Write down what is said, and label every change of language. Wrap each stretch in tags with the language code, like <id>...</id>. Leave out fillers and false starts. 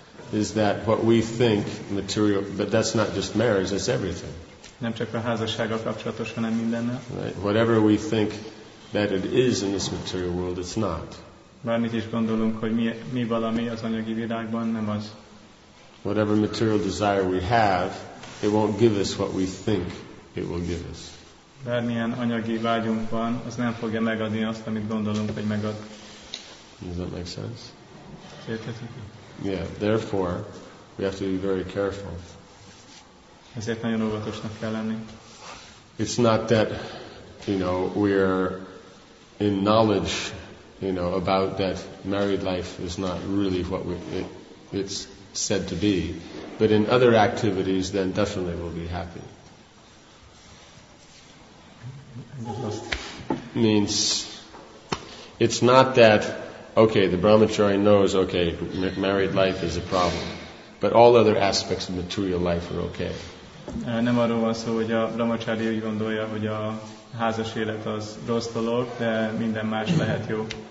<en>Is that what we think material, but that's not just marriage, that's everything.</en> <hu>Nem csak a házassággal kapcsolatos, hanem mindennel.</hu> <en>Right. Whatever we think that it is in this material world, it's not.</en> <hu>Bármit is gondolunk, hogy mi valami az anyagi világban, nem az.</hu> <en>Whatever material desire we have, it won't give us what we think it will give us.</en> <hu>Bármilyen anyagi vágyunk van, az nem fogja megadni azt, amit gondolunk, hogy megad.</hu> <en>Does that make sense?</en> <hu>Érthetünk?</hu> <en>Yeah, therefore, we have to be very careful.</en> <hu>Ezért nagyon óvatosnak kell lenni.</hu> <en>It's not that, you know, we're in knowledge, you know, about that married life is not really what it's said to be. But in other activities, then definitely we'll be happy. Means, it's not that, okay, the brahmachari knows, okay, married life is a problem. But all other aspects of material life are okay.</en> <hu>Nem arról van szó, hogy a brahmachari úgy gondolja, hogy a házas élet az rossz dolog, de minden más lehet jó.</hu>